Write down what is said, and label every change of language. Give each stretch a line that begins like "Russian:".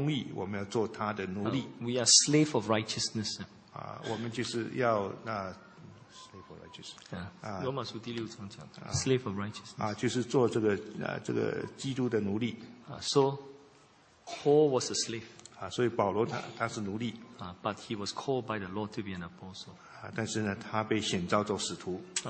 Chinese: 那我们就是说呢，我们应该是为着要完成神的这个公义，我们要做他的奴隶。
English: We are slave of righteousness.
Chinese: 我们就是要。
English: Slave of righteousness.
Chinese: 罗马书第六章讲的
English: slave of righteousness.
Chinese: 就是做这个基督的奴隶。
English: So Paul was a slave.
Chinese: 所以保罗他是奴隶。
English: But he was called by the Lord to be an apostle.
Chinese: 但是呢，他被选召做使徒。